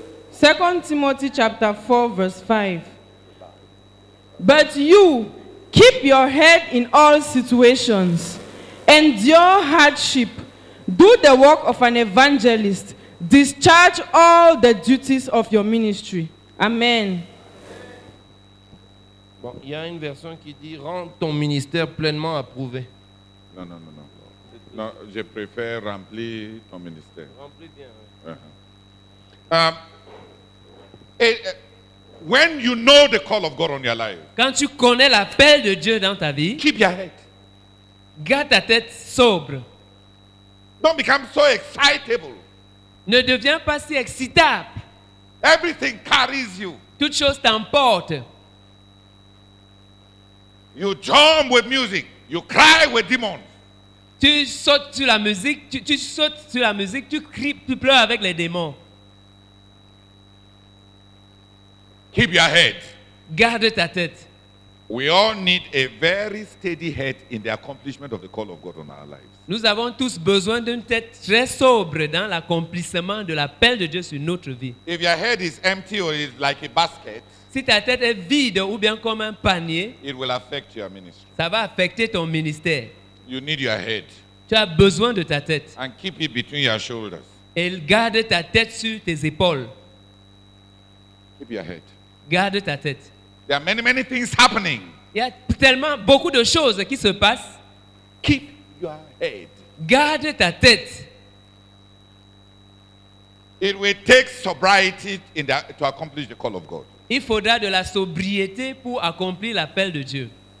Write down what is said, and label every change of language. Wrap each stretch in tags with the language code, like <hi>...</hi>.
<en>Second Timothy chapter 4, verse 5. But you keep your head in all situations, endure hardship, do the work of an evangelist, discharge all the duties of your ministry. Amen.</en> <fr>Bon, il y a une version qui dit rends ton ministère pleinement approuvé. Non. Non, je préfère remplir ton ministère. Remplis bien.</fr> <en>When you know the call of God on your life,</en> <fr>quand tu connais l'appel de Dieu dans ta vie,</fr> <en>keep your head.</en> <fr>Garde ta tête sobre.</fr> <en>Don't become so excitable.</en> <fr>Ne deviens pas si excitable.</fr> <en>Everything carries you.</en> <fr>Toute chose t'emporte.</fr> <en>You jump with music. You cry with demons.</en> <fr>Tu sautes sur la musique. Tu sautes sur la musique. Tu cries. Tu pleures avec les démons.</fr> <en>Keep your head.</en> <fr>Garde ta tête.</fr> <en>We all need a very steady head in the accomplishment of the call of God on our lives.</en> <fr>Nous avons tous besoin d'une tête très sobre dans l'accomplissement de l'appel de Dieu sur notre vie.</fr> <en>If your head is empty or is like a basket,</en> <fr>si ta tête est vide ou bien comme un panier,</fr> <en>it will affect your ministry.</en> <fr>Ça va affecter ton ministère.</fr> <en>You need your head.</en> <fr>Tu as besoin de ta tête.</fr> <en>And keep it between your shoulders.</en> <fr>Et garde ta tête sur tes épaules.</fr> <en>Keep your head.</en> <fr>Garde ta tête.</fr> <en>There are many things happening.</en> <fr>Il y a tellement beaucoup de choses qui se passent.</fr> <en>Keep your head.</en> <fr>Garde ta tête.</fr> <en>It will take sobriety in the, to accomplish the call of God.</en> <fr>Il faudra de la sobriété pour accomplir l'appel de Dieu.</fr>